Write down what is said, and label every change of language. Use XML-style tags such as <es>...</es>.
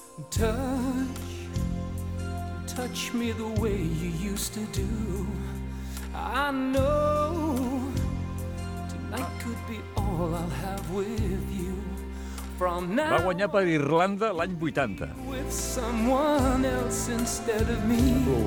<en>Touch, touch me the way you used to do. I know tonight could be all I'll have with you.</en> <ca>Va guanyar per Irlanda l'any 80.</ca> <en>With someone else instead of me.</en>